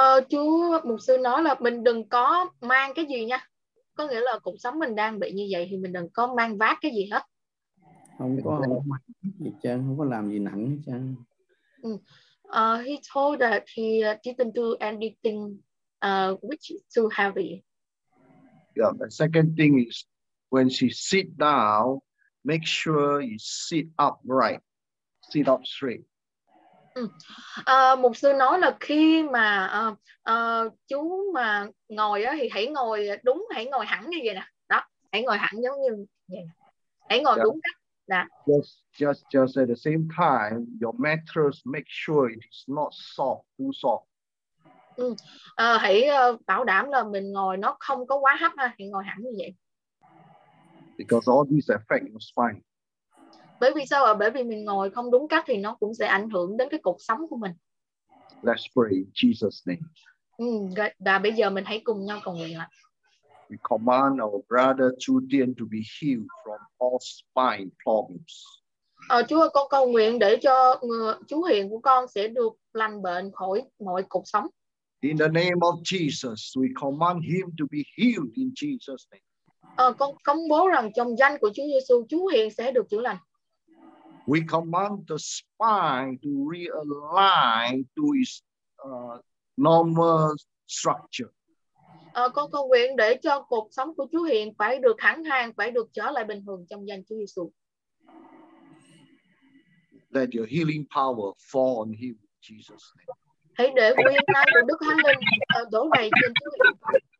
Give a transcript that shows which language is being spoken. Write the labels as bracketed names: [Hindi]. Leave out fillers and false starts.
[Vietnamese] Chú mục sư nói là mình đừng có mang cái gì nha. Có nghĩa là cuộc sống mình đang bị như vậy thì mình đừng có mang vác cái gì hết. Không có làm gì nặng hết trơn. [English] He told that he didn't do anything which is too heavy. Yeah, the second thing is when she sit down, make sure you sit upright. Sit up straight. [Vietnamese] Mục sư nói là khi mà chú mà ngồi thì hãy ngồi đúng, hãy ngồi hẳn như vậy nè. Đó, hãy ngồi hẳn giống như vậy. Hãy ngồi đúng cách. Đó. [English] Just at the same time, your mattress make sure it is not soft, too soft. [Vietnamese] Hãy bảo đảm là mình ngồi nó không có quá hấp ha, hãy ngồi hẳn như vậy. [English] Because all these affect your spine. [Vietnamese] Bởi vì sao ạ? Bởi vì mình ngồi không đúng cách thì nó cũng sẽ ảnh hưởng đến cái cột sống của mình. [English] Let's pray in Jesus' name. [Vietnamese] Và bây giờ mình hãy cùng nhau cầu nguyện ạ. [English] We command our brother Chu Tien to be healed from all spine problems. [Vietnamese] Chúa ơi, con cầu nguyện để cho chú Hiền của con sẽ được lành bệnh khỏi mọi cột sống. [English] In the name of Jesus, we command him to be healed in Jesus' name. [Vietnamese] Con công bố rằng trong danh của Chúa Giêsu, chú Hiền sẽ được chữa lành. [English] We command the spine to realign to its normal structure. [Vietnamese] Con cầu nguyện để cho cuộc sống của chú Hiền phải được thẳng hàng, phải được trở lại bình thường trong danh Chúa Giêsu. [English] Let your healing power fall on him Jesus name. [Vietnamese] Hãy để quyền năng của Đức Thánh Linh đổ đầy trên chúng con.